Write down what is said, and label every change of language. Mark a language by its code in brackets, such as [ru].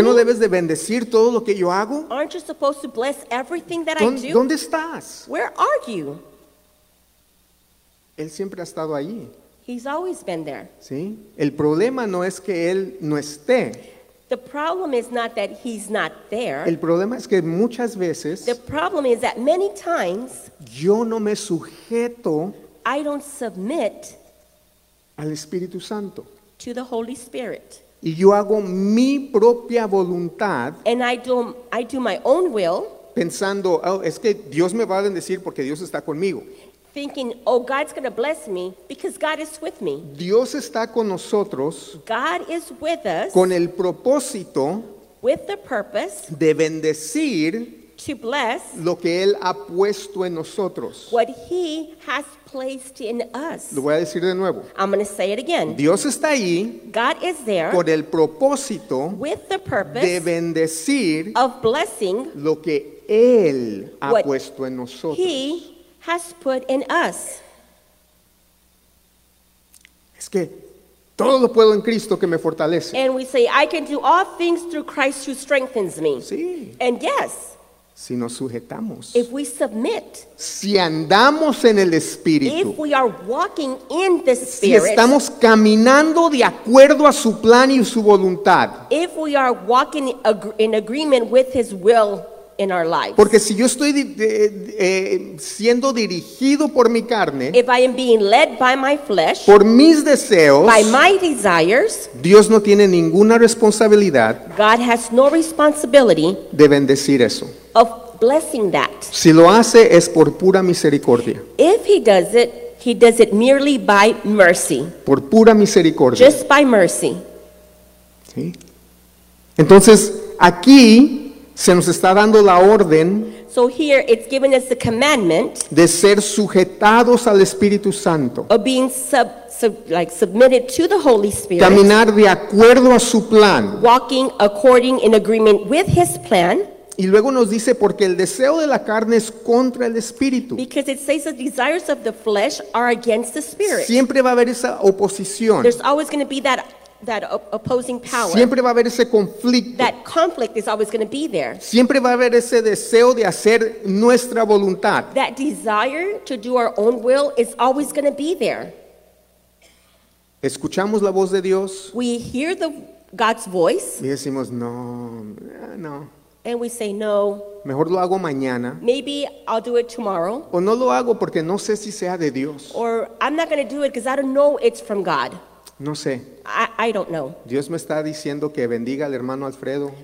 [es] ¿Que no debes de bendecir todo lo que yo hago? [en] Aren't you supposed to bless everything that I do? [es] ¿Dónde estás? [en] Where are you? [es] Él siempre ha estado ahí. [en] He's always been there. [es] ¿Sí? El problema no es que Él no esté. [en] The problem is not that He's not there. [es] El problema es que muchas veces. [en] The problem is that many times. [es] Yo no me sujeto. [en] I don't submit. [es] Al Espíritu Santo. [en] To the Holy Spirit. [es] Y yo hago mi propia voluntad. [en] And I do my own will. [es] Pensando, oh, es que Dios me va a bendecir porque Dios está conmigo. [en] Thinking, oh, God's going to bless me because God is with me. [es] Dios está con nosotros. [en] God is with us. [es] Con el propósito. [en] With the purpose. [es] De bendecir. [en] to bless [es] lo que Él ha puesto en nosotros. [en] What He has placed in us. [es] Lo voy a decir de nuevo. [en] I'm going to say it again. [es] Dios está ahí. [en] God is there. [es] Por el propósito. [en] With the purpose. [es] De bendecir. [en] Of blessing. [es] Lo que Él ha puesto en nosotros. [en] He has put in us. [es] Es que todo lo puedo en Cristo que me fortalece. [en] And we say, I can do all things through Christ who strengthens me. [es] Sí. [en] And yes. [es] Si nos sujetamos. [en] If we submit. [es] Si andamos en el Espíritu. [en] If we are walking in the Spirit. [es] Si estamos caminando de acuerdo a su plan y su voluntad. [en] If we are walking in agreement with His will in our lives. [es] Porque si yo estoy siendo dirigido por mi carne, [en] if I am being led by my flesh, [es] por mis deseos, [en] by my desires, [es] Dios no tiene ninguna responsabilidad, [en] God has no responsibility, [es] de bendecir eso, [en] of blessing that. [es] Si lo hace es por pura misericordia. [en] If he does it merely by mercy. [es] Por pura misericordia. [en] Just by mercy. [es] ¿Sí? Entonces, aquí se nos está dando la orden, [en] so here it's giving us the commandment, [es] de ser sujetados al Espíritu Santo, [en] of being submitted to the Holy Spirit, [es] caminar de acuerdo a su plan, [en] walking according in agreement with His plan. [es] Y luego nos dice, porque el deseo de la carne es contra el Espíritu. [en] Because it says the desires of the flesh are against the Spirit. [es] Siempre va a haber esa oposición. [en] There's always going to be that opposing power. [es] Siempre va a haber ese conflicto. [en] That conflict is always going to be there. [es] Siempre va a haber ese deseo de hacer nuestra voluntad. [en] That desire to do our own will is always going to be there. [es] Escuchamos la voz de Dios. [en] We hear God's voice. [es] Y decimos, no. [en] And we say, no. [es] Mejor lo hago mañana. [en] Maybe I'll do it tomorrow. [es] O no lo hago porque no sé si sea de Dios. [en] Or I'm not going to do it because I don't know it's from God. [es] No sé. [en] I don't know. [es] Dios me está diciendo que bendiga al hermano Alfredo.